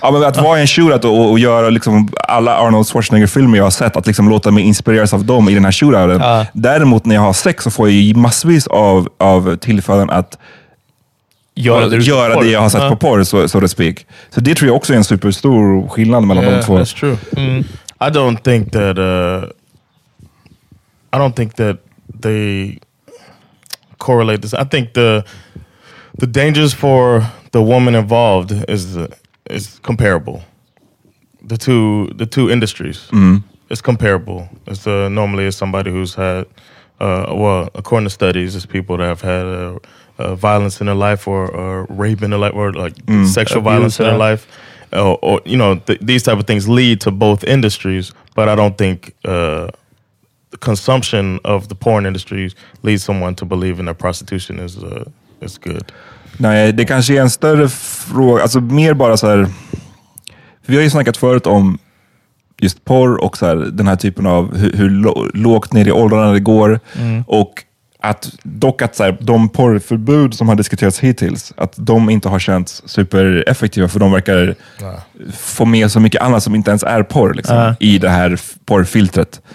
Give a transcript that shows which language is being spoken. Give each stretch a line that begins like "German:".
Swedish: Ja, men att vara en shootout och göra liksom alla Arnold Schwarzenegger-filmer jag har sett, att liksom låta mig inspireras av dem i den här shootouten. Däremot, när jag har sex så får jag ju massvis av tillfällen att göra det jag har sett på porr,
English: so to speak.
Swedish: Så det tror jag också är en superstor skillnad mellan de två.
English: That's true. I don't think that I don't think that they correlate this. I think the dangers for the woman involved is comparable. The two industries is comparable. It's normally it's somebody who's had according to studies, it's people that have had violence in their life or rape in their life or like sexual abuse, violence in their life. Or you know, these type of things lead to both industries, but I don't think the consumption of the porn industry leads someone to believe in that prostitution is good.
Swedish: Nej, det kanske är en större fråga, alltså mer bara så här, för vi har ju snackat förut om just porr och så här, den här typen av hur lågt ner i åldrarna det går och att dock att så här, de porrförbud som har diskuterats hittills, att de inte har känts super effektiva, för de verkar få med så mycket annat som inte ens är porr liksom, i det här porrfiltret.